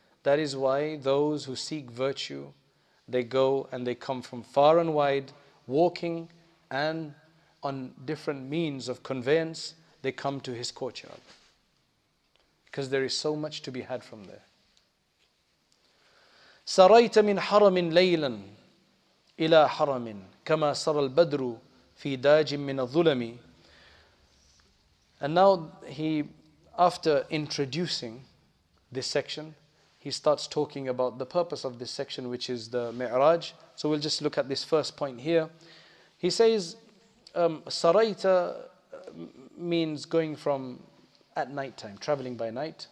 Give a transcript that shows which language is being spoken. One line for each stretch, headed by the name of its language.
English: That is why those who seek virtue, they go and they come from far and wide, walking and on different means of conveyance, they come to his courtyard. Because there is so much to be had from there.
Arabic: سَرَيْتَ مِنْ حَرَمٍ لَيْلًا إلى حرم كما سر البدر في داج من الظلم.
English: And now he, after introducing this section, he starts talking about the purpose of this section, which is the Mi'raj. So we'll just look at this first point here. He says, Saraita means going from at night time, traveling by night.